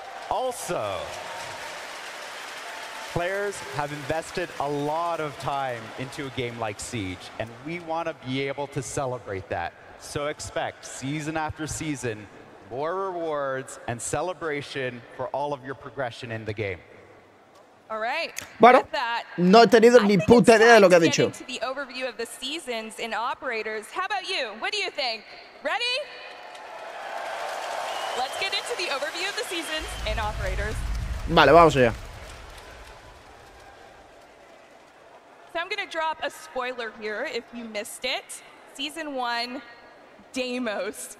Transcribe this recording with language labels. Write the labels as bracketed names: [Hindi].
[English] Also, players have invested a lot of time into a game like Siege, and we want to be able to celebrate that. So expect, season after season, more rewards and celebration for all of your progression in the game. All right. [Spanish] Bueno, no he tenido ni puta idea de lo que ha dicho. [English] To the overview of the seasons and operators. How about you? What do you think? Ready? Let's get into the overview of the seasons and operators. [Spanish] Vale, vamos allá. [English] So I'm going to drop a spoiler here if you missed it. Season 1, Deimos.